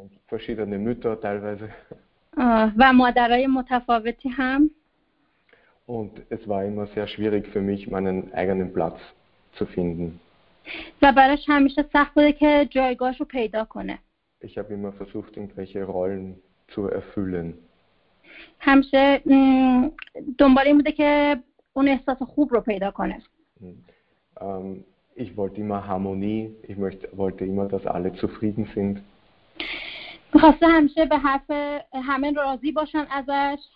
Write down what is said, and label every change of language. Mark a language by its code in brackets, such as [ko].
[de] Verschiedene Mütter teilweise. [fa] و مادرای متفاوتی هم. [de] Und es war immer sehr schwierig für mich, meinen eigenen Platz zu finden. [fa] و براش همیشه سخت بوده که جایگاهشو پیدا کنه. [de] Ich habe immer versucht, irgendwelche Rollen zu erfüllen. [fa] همیشه دنبال این بوده که اون احساس خوب رو پیدا کنه. [de] Ich wollte immer Harmonie. Ich wollte immer, dass alle zufrieden sind. [fa] می‌خواسته همیشه به حرف همه راضی باشن ازش.